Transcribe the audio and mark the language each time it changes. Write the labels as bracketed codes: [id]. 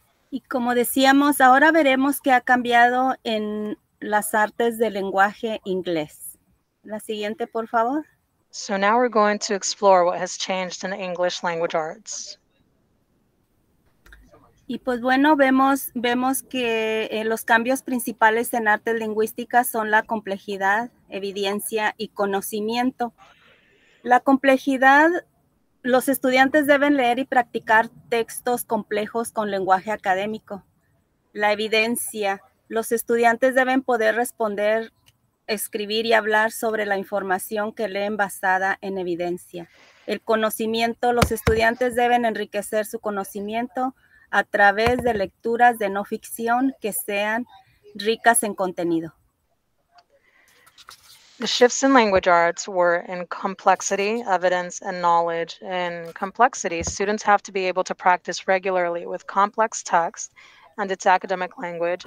[es] Y como decíamos, ahora veremos qué ha cambiado en las artes del lenguaje inglés. La siguiente, por favor. [en] So now we're going to explore what has changed in English language arts. [es] Y pues bueno, vemos que los cambios principales en artes lingüísticas son la complejidad, evidencia y conocimiento. La complejidad, los estudiantes deben leer y practicar textos complejos con lenguaje académico. La evidencia, los estudiantes deben poder responder, escribir y hablar sobre la información que leen basada en evidencia. El conocimiento, los estudiantes deben enriquecer su conocimiento a través de lecturas de no ficción que sean ricas en contenido. [en] The shifts in language arts were in complexity, evidence, and knowledge. In complexity, students have to be able to practice regularly with complex text and its academic language.